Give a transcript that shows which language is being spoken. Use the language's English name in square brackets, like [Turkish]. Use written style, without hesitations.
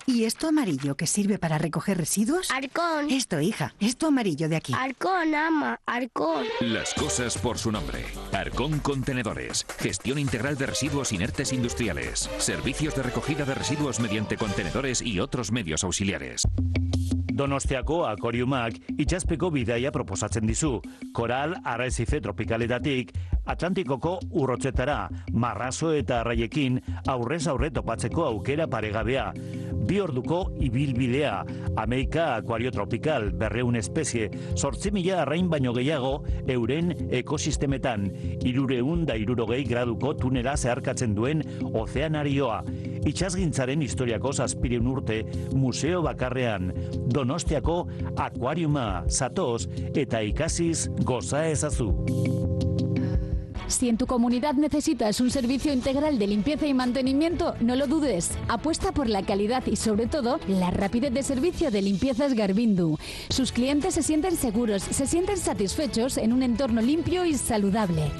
[Spanish] ¿Y esto amarillo que sirve para recoger residuos? Arcón. Esto, hija, esto amarillo de aquí. Arcón, ama, arcón. Las cosas por su nombre. Arcón Contenedores. Gestión integral de residuos inertes industriales. Servicios de recogida de residuos mediante contenedores y otros medios auxiliares. [Basque] Donostiako Akoriumak itxaspeko bidaia proposatzen dizu. Koral arrezife tropikaletatik Atlantikoko urrotzetara, marrazo eta arraiekin aurrez aurre topatzeko aukera paregabea. Bi orduko ibilbidea, Ameika Akuario Tropical, 200 espezie, 8000 arrain baino gehiago euren ekosistemetan, 360 graduko tunela zeharkatzen duen ozeanarioa, itxasgintzaren historiako 700 urte, museo bakarrean, Donostiako Akuariuma, zatoz eta ikasiz goza ezazu. [Spanish] Si en tu comunidad necesitas un servicio integral de limpieza y mantenimiento, no lo dudes. Apuesta por la calidad y, sobre todo, la rapidez de servicio de Limpiezas Garbindu. Sus clientes se sienten seguros, se sienten satisfechos en un entorno limpio y saludable.